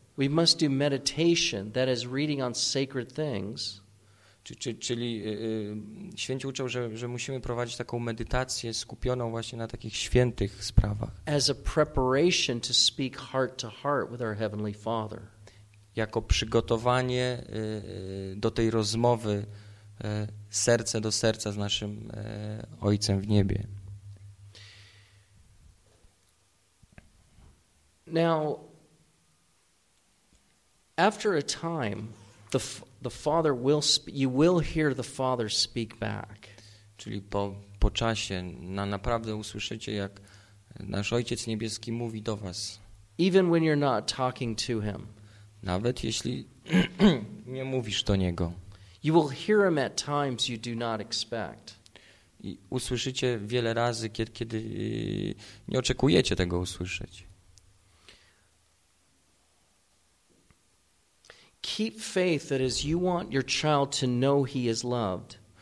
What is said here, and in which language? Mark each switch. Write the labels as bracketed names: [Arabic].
[English] we must do meditation, that is reading on sacred things. [Polish] Czyli święci uczą, że musimy prowadzić taką medytację skupioną właśnie na takich świętych sprawach. [English] As a preparation to speak heart to heart with our Heavenly Father. [Polish] Jako przygotowanie do tej rozmowy serce do serca z naszym Ojcem w niebie. [English] Now, after a time, the Father will you will hear the Father speak back. [Polish] Czyli po czasie naprawdę usłyszycie, jak nasz Ojciec Niebieski mówi do was. [English] Even when you're not talking to him. [Polish] Nawet jeśli nie mówisz do niego. [English] You will hear him at times you do not expect. [Polish] I usłyszycie wiele razy, kiedy nie oczekujecie tego usłyszeć. [English] keep faith that as you want your child to know he is loved.